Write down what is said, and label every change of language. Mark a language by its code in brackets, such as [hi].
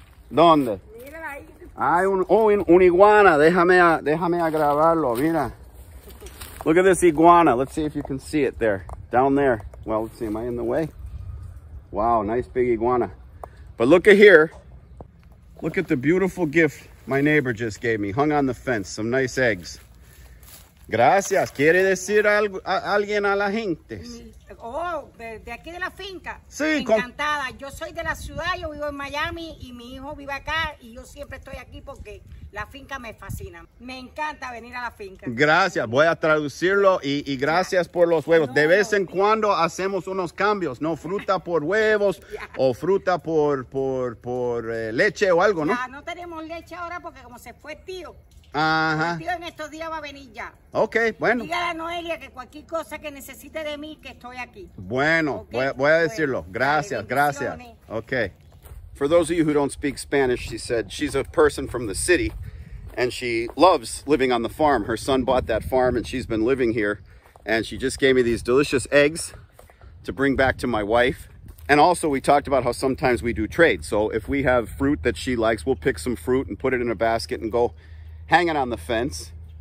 [es] ¿Dónde? Hay un iguana, déjame a grabarlo, mira. [en] Look at this iguana, let's see if you can see it there, down there. Well, let's see, am I in the way? Wow, nice big iguana. But look at here, look at the beautiful gift my neighbor just gave me, hung on the fence, some nice eggs. [es] Gracias, ¿quiere decir algo, alguien a la gente? Oh, de aquí de la finca. Sí, encantada. Yo soy de la ciudad, yo vivo en Miami y mi hijo vive acá y yo siempre estoy aquí porque la finca me fascina. Me encanta venir a la finca. Gracias, voy a traducirlo y gracias por los huevos. De vez en cuando hacemos unos cambios, ¿no? Fruta por huevos o fruta por leche o algo, ¿no? Ya, no tenemos leche ahora porque como se fue el tío. Ajá. El tío en estos días va a venir ya. Ok, bueno. Dígale a Noelia que cualquier cosa que necesite de mí, que estoy aquí. Bueno, okay. voy a decirlo. Gracias, bueno, gracias. Ok. [en] For those of you who don't speak Spanish, she said she's a person from the city and she loves living on the farm. Her son bought that farm and she's been living here. And she just gave me these delicious eggs to bring back to my wife. And also we talked about how sometimes we do trade. So if we have fruit that she likes, we'll pick some fruit and put it in a basket and go hang it on the fence.